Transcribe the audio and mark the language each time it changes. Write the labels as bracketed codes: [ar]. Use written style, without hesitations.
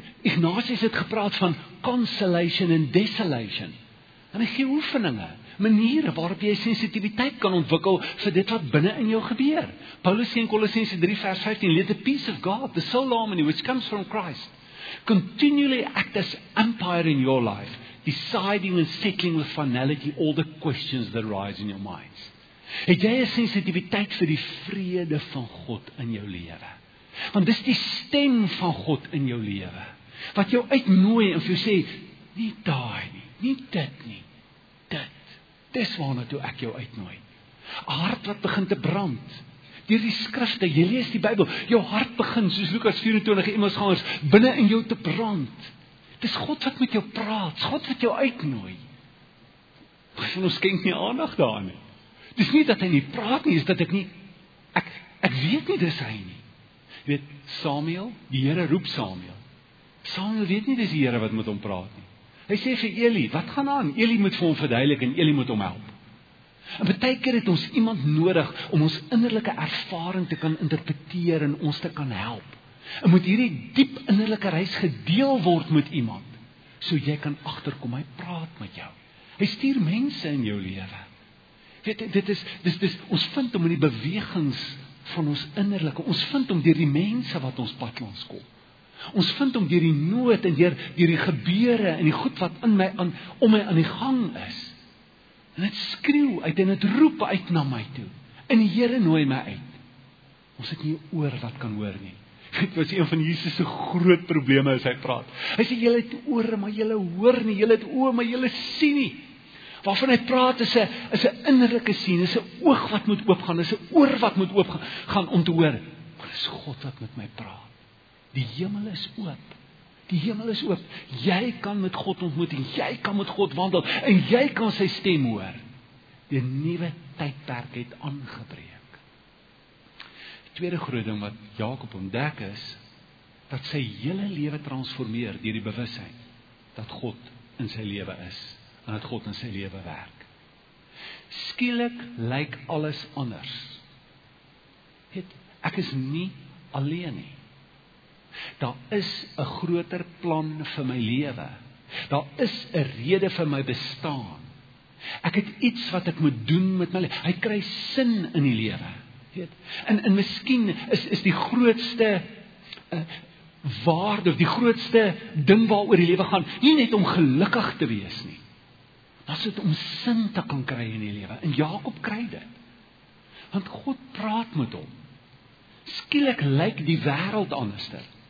[af] Ignatius het gepraat van consolation en desolation. En hy gee oefeninge, maniere waarop jy sensitiviteit kan ontwikkel vir dit wat binne in jou gebeur. Paulus sê in Kolossense 3 vers 15, [en] let the peace of God, the soul harmony which comes from Christ, continually act as empire in your life, deciding and settling with finality all the questions that rise in your minds. [af] Het jy 'n sensitiviteit vir die vrede van God in jou lewe? Want dis die stem van God in jou lewe, wat jou uitnooi en vir jou sê, nie daai nie, nie dit nie, dit. Dis waarna toe ek jou uitnooi. 'N hart wat begin te brand, deur die skrifte, jy lees die Bybel, jou hart begin, soos Lukas 24, Emmausgangers, binne in jou te brand. Dis God wat met jou praat, God wat jou uitnooi. Maar ons skenk nie aandag daaraan nie. Dit is nie dat hy nie praat nie, is dat ek nie, ek weet nie dis hy nie. Jy weet, Samuel, die Here roep Samuel. Samuel weet nie dis die Here wat met hom praat nie. Hy sê vir Eli, wat gaan aan? Eli moet vir hom verduidelik en Eli moet hom help. En baie keer het ons iemand nodig om ons innerlike ervaring te kan interpreteer en ons te kan help. En moet hierdie diep innerlike reis gedeel word met iemand, so jy kan agterkom, hy praat met jou. Hy stuur mense in jou lewe. Dit is ons vind om in die bewegings van ons innerlike, ons vind om deur die mense wat ons pad langs kom. Ons vind om deur die nood en deur die gebeure en die goed wat in my aan om my aan die gang is. En dit skreeu uit en dit roep uit na my toe. En die Here nooi my uit. Ons het nie oor wat kan hoor nie. Dit was een van Jesus se groot probleme as hy praat. Hy sê julle het ore, maar julle hoor nie, julle het oë, maar julle sien nie. Waarvan hy praat is 'n innerlike sien, is 'n oog wat moet oopgaan, is 'n oor wat moet oopgaan om te hoor. Maar dis God wat met my praat. Die hemel is oop. Die hemel is oop. Jy kan met God ontmoet en jy kan met God wandel en jy kan sy stem hoor. Die nuwe tydperk het aangebreek. Die tweede groot ding wat Jakob ontdek is, dat sy hele lewe transformeer deur die bewussyn dat God in sy lewe is. En dat God in sy lewe werk. Skielik lyk alles anders. Ek is nie alleen nie. Daar is 'n groter plan vir my lewe. Daar is 'n rede vir my bestaan. Ek het iets wat ek moet doen met my lewe. Hy kry sin in die lewe. En miskien is die grootste waarde, die grootste ding waaroor die lewe gaan, nie net om gelukkig te wees nie. As dit om sin te kan kry in die lewe. En Jakob kry dit. Want God praat met hom. Skielik lyk die wêreld anderster.